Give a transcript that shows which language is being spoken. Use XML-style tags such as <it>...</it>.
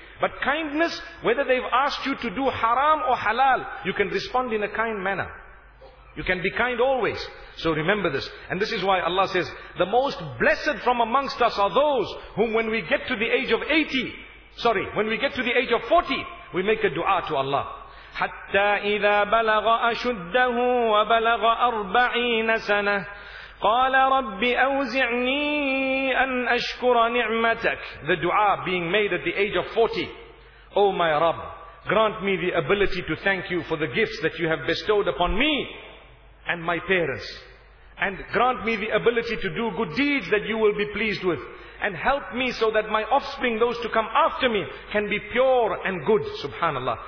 <en>But kindness, whether they've asked you to do haram or halal, you can respond in a kind manner. You can be kind always. So remember this. And this is why Allah says, the most blessed from amongst us are those whom when we get to the age of 80, sorry, when we get to the age of 40, we make a dua to Allah.</en> <ar>حَتَّى إِذَا بَلَغَ أَشُدَّهُ وَبَلَغَ 40 سَنَةً قال ربي أوزعني أن أشكر نعمتك.</ar> <en>The dua being made at the age of 40. Oh my Rabb, grant me the ability to thank you for the gifts that you have bestowed upon me and my parents. And grant me the ability to do good deeds that you will be pleased with. And help me so that my offspring, those to come after me, can be pure and good. Subhanallah.</en>